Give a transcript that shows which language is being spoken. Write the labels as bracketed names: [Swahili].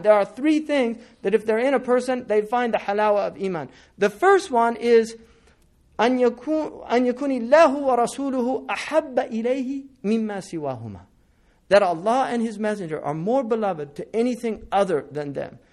[English] There are three things that if they're in a person, they find the halawa of Iman. The first one is [Arabic] أَنْ يَكُنِ اللَّهُ وَرَسُولُهُ أَحَبَّ إِلَيْهِ مِمَّا سِوَاهُمَا. [English] That Allah and His Messenger are more beloved to anything other than them.